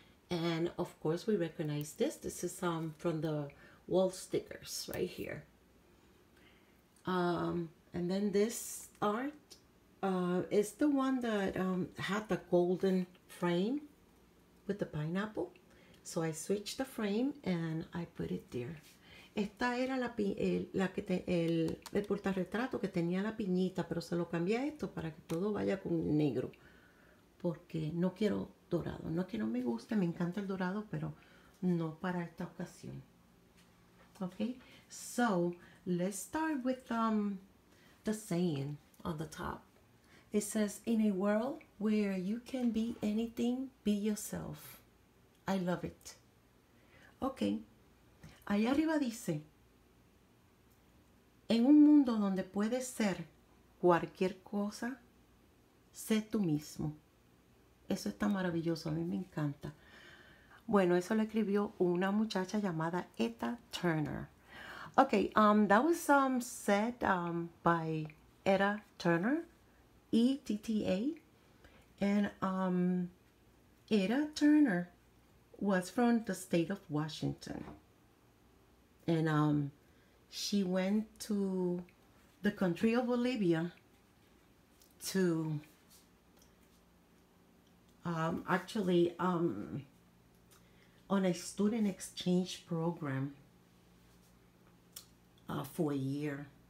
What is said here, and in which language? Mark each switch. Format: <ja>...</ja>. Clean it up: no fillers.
<en>And of course we recognize this. This is from the wall stickers right here. And then this art is the one that had the golden frame with the pineapple. So I switched the frame and I put it there.</en> <es>Esta era el portarretrato que tenía la piñita, pero se lo cambié a esto para que todo vaya con negro, porque no quiero dorado. No es que no me guste, me encanta el dorado, pero no para esta ocasión.</es> <en>Okay, so let's start with the saying on the top. It says, "In a world where you can be anything, be yourself." I love it. Okay.</en> <es>Allá arriba dice, en un mundo donde puedes ser cualquier cosa, sé tú mismo. Eso está maravilloso, a mí me encanta. Bueno, eso lo escribió una muchacha llamada Etta Turner.</es> <en>Okay, that was said by Etta Turner, Etta. And Etta Turner was from the state of Washington. And she went to the country of Bolivia to actually on a student exchange program for a year.</en>